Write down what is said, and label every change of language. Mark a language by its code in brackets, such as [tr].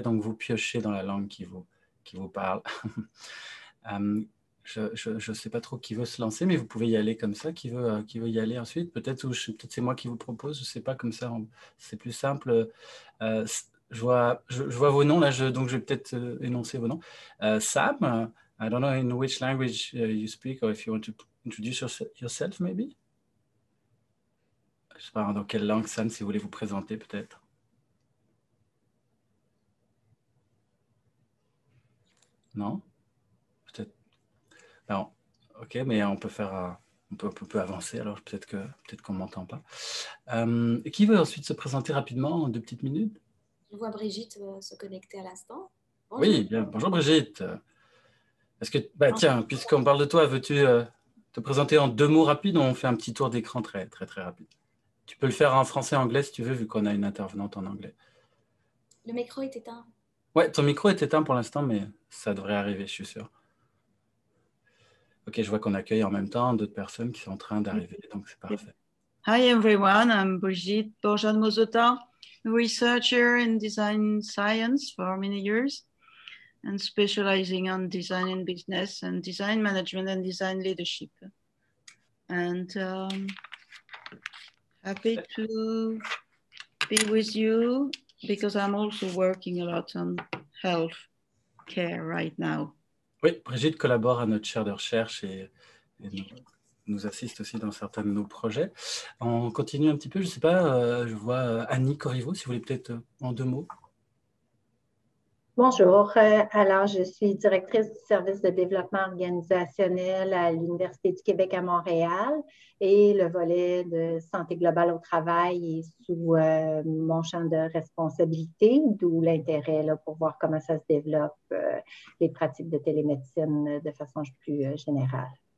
[fr] Donc, vous piochez dans la langue qui vous parle. je ne sais pas trop qui veut se lancer, mais vous pouvez y aller comme ça. Qui veut y aller ensuite? Peut-être peut-être c'est moi qui vous propose. Je ne sais pas, comme ça, c'est plus simple. Je vois vos noms, là, donc je vais peut-être énoncer vos noms. [en] Sam, I don't know in which language you speak or if you want to introduce yourself, maybe. [fr] Je sais pas dans quelle langue, Sam, si vous voulez vous présenter, peut-être. Non? Peut-être. Non. OK, mais on peut faire on peut avancer, alors peut-être qu'on ne m'entend pas. Qui veut ensuite se présenter rapidement, en deux petites minutes? Je vois Brigitte se connecter à l'instant. Bonjour. Oui, bien. Bonjour Brigitte. Est-ce que, tiens, puisqu'on parle de toi, veux-tu te présenter en deux mots rapides ou on fait un petit tour d'écran très, très, très rapide? Tu peux le faire en français, anglais, si tu veux, vu qu'on a une intervenante en anglais. Le micro est éteint. Ouais, ton micro est éteint pour l'instant, mais ça devrait arriver, je suis sûr. OK, je vois qu'on accueille en même temps d'autres personnes qui sont en train d'arriver, donc c'est parfait. [en] Hi everyone, I'm Brigitte Bourgeon-Mozota, researcher in design science for many years and specializing on design and business and design management and design leadership. And happy to be with you because I'm also working a lot on health care right now. [fr] Oui, Brigitte collabore à notre chaire de recherche et nous assiste aussi dans certains de nos projets. On continue un petit peu, je ne sais pas, je vois Annie Corriveau, si vous voulez peut-être en deux mots. Bonjour, alors je suis directrice du service de développement organisationnel à l'Université du Québec à Montréal et le volet de santé globale au travail est sous mon champ de responsabilité, d'où l'intérêt là, pour voir comment ça se développe, les pratiques de télémédecine de façon plus générale.